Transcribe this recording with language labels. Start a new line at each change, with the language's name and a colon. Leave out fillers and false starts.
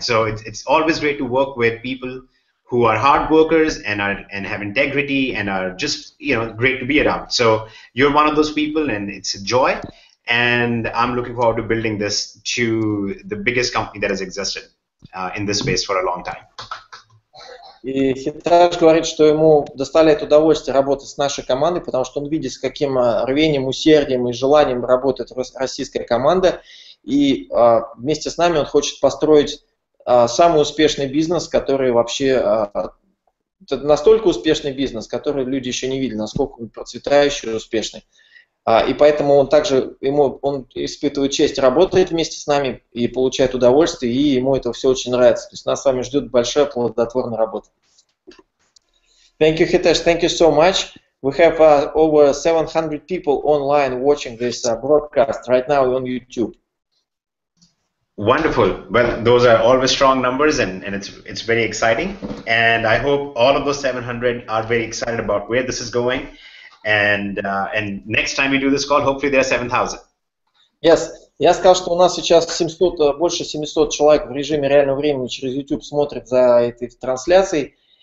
English: So it's always great to work with people who are hard workers and have integrity and are just, you know, great to be around. So you're one of those people, and it's a joy. And I'm looking forward to building this to the biggest company that has existed in this space for a long time.
Russian: И Хитаж говорит, что ему доставляет удовольствие работать с нашей командой, потому что он видит, с каким рвением, усердием и желанием работает российская команда. И вместе с нами он хочет построить самый успешный бизнес, который вообще... Это настолько успешный бизнес, который люди еще не видели, насколько он процветающий и успешный. И поэтому он также он испытывает честь работать вместе с нами и получает удовольствие, и ему это все очень нравится. То есть нас с вами ждет большая плодотворная работа.
English: Thank you, Hitesh. Thank you so much. We have over 700 people online watching this broadcast right now on YouTube. Wonderful. Well, those are always strong numbers, and it's very exciting. And I hope all of those 700 are very excited about where this is going. And next time we do this call, hopefully there are 7,000. Yes.
Russian: Я сказал, что у нас сейчас 700, больше 700 человек в режиме реального времени через YouTube смотрят за этой трансляцией.